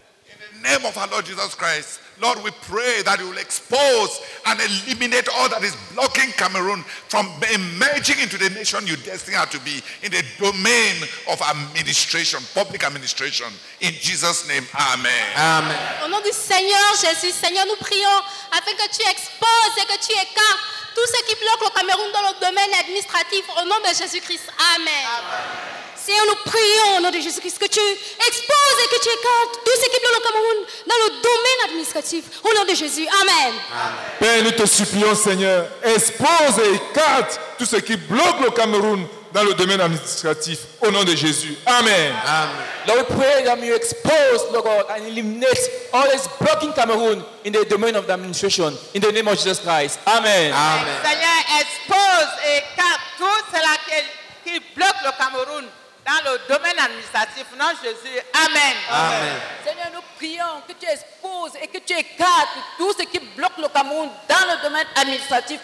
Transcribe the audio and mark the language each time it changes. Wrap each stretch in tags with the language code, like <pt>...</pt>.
<en>In the name of our Lord Jesus Christ, Lord, we pray that you will expose and eliminate all that is blocking Cameroon from emerging into the nation you destined her to be in the domain of administration, public administration. In Jesus' name, amen. Amen.</en> <fr>Au nom du Seigneur Jésus, Seigneur, nous prions afin que tu exposes et que tu écartes tout ce qui bloque le Cameroun dans le domaine administratif. Au nom de Jésus-Christ, amen. Amen. Seigneur, nous prions au nom de Jésus-Christ que tu exposes et que tu écartes tout ce qui bloque le Cameroun dans le domaine administratif. Au nom de Jésus, amen. Amen. Père, nous te supplions, Seigneur, expose et écarte tout ce qui bloque le Cameroun dans le domaine administratif. Au nom de Jésus, amen. Amen.</fr> <en>Lord, we pray that you expose, Lord God, and eliminate all this blocking Cameroon in the domain of the administration. In the name of Jesus Christ, amen. Amen.</en> <fr>Seigneur, expose et écarte tout cela qui bloque le Cameroun dans le domaine administratif. Au nom de Jésus, amen. Amen. Seigneur, nous prions que tu exposes et que tu écartes tout ce qui bloque le Cameroun dans le domaine administratif.</fr>